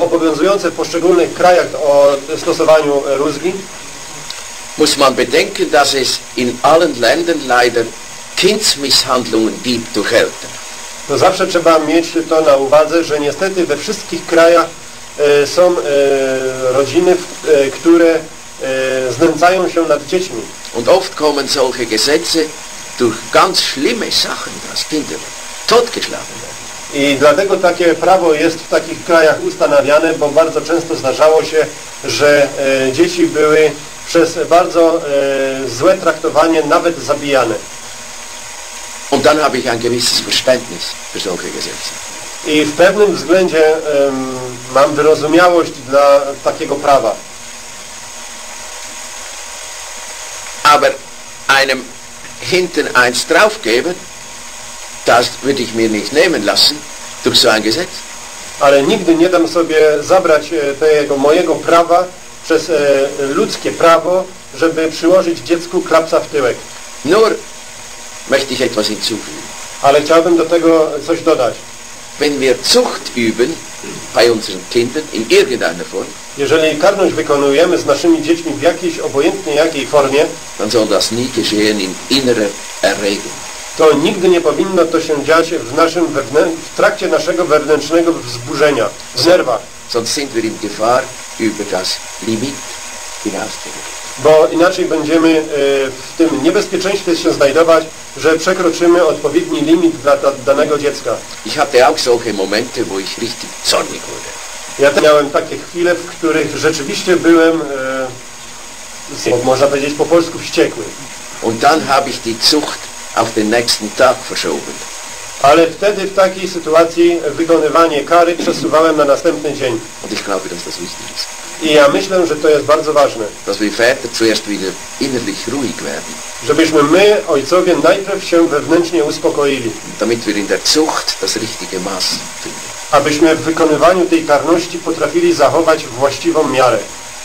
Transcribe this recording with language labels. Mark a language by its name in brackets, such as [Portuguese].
[Polish] obowiązujące w poszczególnych krajach o stosowaniu rózgi. [German] Muss man bedenken, dass es in allen Ländern leider Kindsmisshandlungen gibt durch Eltern. [Polish] To zawsze trzeba mieć to na uwadze, że niestety we wszystkich krajach są rodziny, które znęcają się nad dziećmi. [German] Und oft kommen solche Gesetze durch ganz schlimme Sachen, dass Kinder totgeschlagen werden. [Polish] I dlatego takie prawo jest w takich krajach ustanawiane, bo bardzo często zdarzało się, że dzieci były przez bardzo złe traktowanie nawet zabijane. [German] Und dann habe ich ein gewisses Verständnis für solche Gesetze. [Polish] I w pewnym względzie mam wyrozumiałość dla takiego prawa. [German] Aber einem hinten eins draufgeben, das würde ich mir nicht nehmen lassen durch so ein Gesetz. [Polish] Ale nigdy nie dam sobie zabrać tego mojego prawa przez ludzkie prawo, żeby przyłożyć dziecku klapsa w tyłek. [German] Nur möchte ich etwas hinzufügen. [Polish] Ale chciałbym do tego coś dodać. [German] Wenn wir Zucht üben bei unseren Kindern in irgendeiner Form, [Polish] jeżeli karność wykonujemy z naszymi dziećmi w jakiejś obojętnej jakiej formie, [German] dann soll das nie geschehen in innerer Erregung. [Polish] To nigdy nie powinno to się dziać w naszym w trakcie naszego wewnętrznego wzburzenia, w nerwach. [German] Sonst sind wir in Gefahr über das Limit hinaus. [Polish] Bo inaczej będziemy w tym niebezpieczeństwie się znajdować, że przekroczymy odpowiedni limit dla danego dziecka. [German] Ich hatte auch solche Momente, wo ich richtig zornig wurde. [Polish] Ja też miałem takie chwile, w których rzeczywiście byłem, można powiedzieć po polsku, wściekły. [German] Und dann habe ich die Zucht auf den nächsten Tag verschoben. [Polish] Ale wtedy w takiej sytuacji wykonywanie kary przesuwałem na następny dzień. [German] Und ich glaube, dass das wichtig ist. [Polish] I ja myślę, że to jest bardzo ważne. [German] Dass wir Väter zuerst wieder innerlich ruhig werden. [Polish] Żebyśmy my, ojcowie, najpierw się wewnętrznie uspokoili. [German] Damit wir in der Zucht das richtige Maß finden. [Polish] Abyśmy w wykonywaniu tej karności potrafili zachować właściwą miarę.